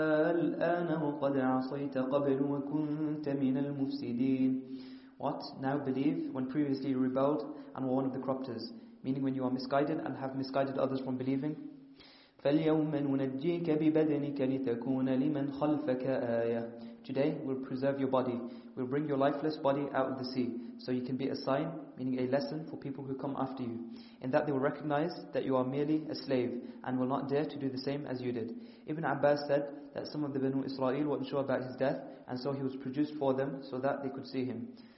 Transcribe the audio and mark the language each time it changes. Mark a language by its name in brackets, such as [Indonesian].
[Arabic] الآن وقد عصيت قبل وكنت من المفسدين. [English] What? Now believe when previously you rebelled and were one of the corruptors, meaning when you are misguided and have misguided others from believing. [Arabic] فاليوم ننجيك ببدنك لتكون لمن خلفك آية. [English] Today we'll preserve your body. We'll bring your lifeless body out of the sea, so you can be a sign, meaning a lesson, for people who come after you. In that they will recognize that you are merely a slave and will not dare to do the same as you did. Ibn Abbas said that some of the Banu Israel weren't sure about his death, and so he was produced for them so that they could see him.